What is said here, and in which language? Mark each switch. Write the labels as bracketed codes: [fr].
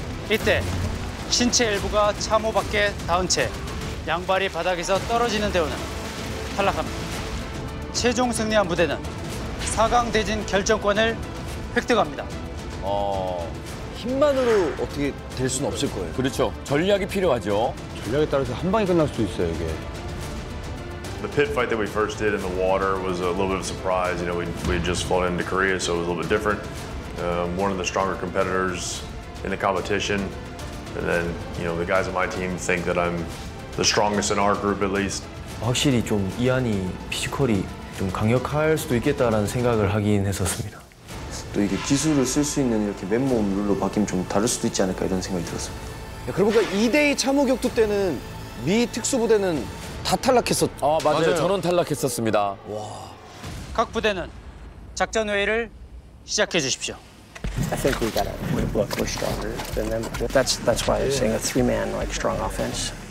[ko] 이때 신체 일부가 참호 밖에 닿은 채 양발이 바닥에서 떨어지는 대우는 탈락합니다. 최종 승리한 부대는 4강 대진 결정권을 획득합니다. 힘만으로 어떻게 될 수는 없을 거예요. 그렇죠. 전략이 필요하죠. 전략에 따라서 한 방에 끝날 수도 있어요, 이게. [en] The pit fight that we first did in the water was a little bit of a surprise. You know, we had just flown into Korea, so it was a little bit different. One of the stronger competitors in the competition. And then, you know, the guys on my team think that I'm the strongest in our group, at least. [ko] 확실히 좀 이한이 피지컬이 좀 강력할 수도 있겠다라는 생각을 하긴 했었습니다. 또 이게 기술을 쓸 수 있는 이렇게 맨몸 룰로 바뀌면 좀 다를 수도 있지 않을까 이런 생각이 들었습니다. 그러니까 2대2 참호격투 때는 미 특수부대는 다 탈락했었죠. 아, 맞아요. 맞아요. 저는 탈락했었습니다. 와. 각 부대는 작전 회의를 시작해 주십시오. [en] I think we gotta look stronger than them. That's why you're saying a three-man like strong offense.